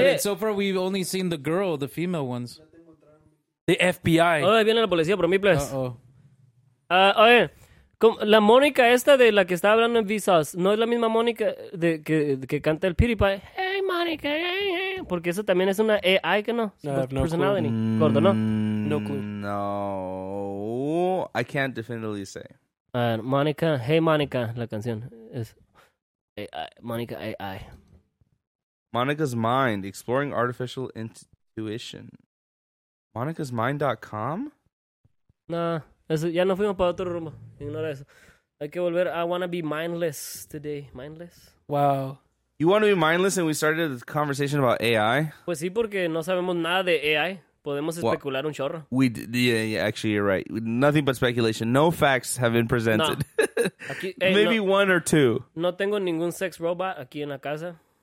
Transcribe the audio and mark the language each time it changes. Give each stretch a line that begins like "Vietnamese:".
English: So far, we've only seen the girl, the female ones. The FBI.
Spanish: Oh, viene la policía por mí, please. Oye, la Mónica esta de la que está hablando en Vsauce, ¿no es la misma Mónica que canta el PewDiePie? Hey, Mónica. Hey. Porque eso también es una AI, ¿que no?
English: No, personality. No
Spanish: corto, ¿no?
English: No clue. No. I can't definitively say.
Spanish: Mónica. Hey, Mónica. La canción es AI. Mónica AI.
English: Mónica's Mind. Exploring Artificial Intuition. MonicasMind.com?
Spanish: Nah, ya no fuimos para otro rumbo. Ignora eso. Hay que volver.
English: I want to be mindless today. Mindless? Wow. You want to be mindless and we started a conversation about AI?
Spanish: Pues sí, porque no sabemos nada de AI. Podemos especular un chorro.
English: Actually, you're right. Nothing but speculation. No facts have been presented.
Spanish: No. Aquí,
English: maybe one or two.
Spanish: No tengo ningún sex robot aquí en la casa.